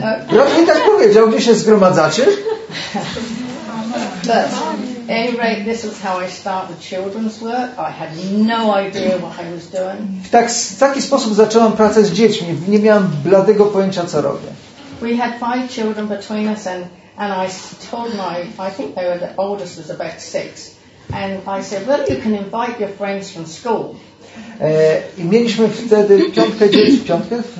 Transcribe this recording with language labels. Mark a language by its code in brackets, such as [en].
[pl] Rodney tak powiedział, gdzie się zgromadzacie? [en] But any rate, this is how I start the children's work. I had no idea what I was doing. [pl] W taki sposób zaczęłam pracę z dziećmi. Nie miałam bladego pojęcia, co robię. [en] We had five children between us, and I told my, I think they were the oldest was about six, and I said, well, you can invite your friends from school. [pl] I mieliśmy wtedy piątkę dzieci, piątkę?